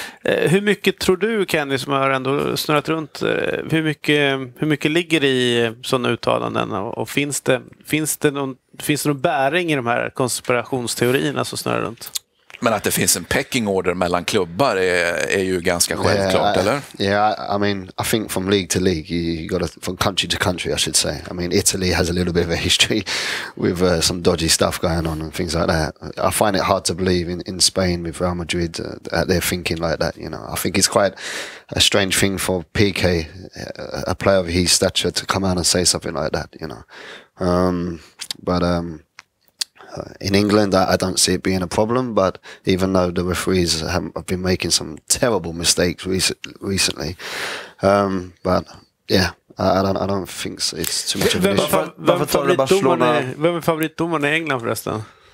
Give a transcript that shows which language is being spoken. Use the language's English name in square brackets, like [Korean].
[Swedish] Hur mycket tror du, Kenny, som har ändå snurrat runt, hur mycket ligger i sådana uttalanden och finns det någon bäring i de här konspirationsteorierna som snurrar runt? Men att det finns en [English] pecking order [Swedish] mellan klubbar är ju ganska självklart, eller? [English] Yeah, I mean, I think from league to league, from country to country, I should say. I mean, Italy has a little bit of a history with some dodgy stuff going on and things like that. I find it hard to believe in Spain with Real Madrid that they're thinking like that, you know. I think it's quite a strange thing for PK, a player of his stature, to come out and say something like that, you know. But in England, I don't see it being a problem. But even though the referees have been making some terrible mistakes recently, but yeah, I don't think it's too much of an issue. [Swedish] Vem är favoritdomaren i England förresten?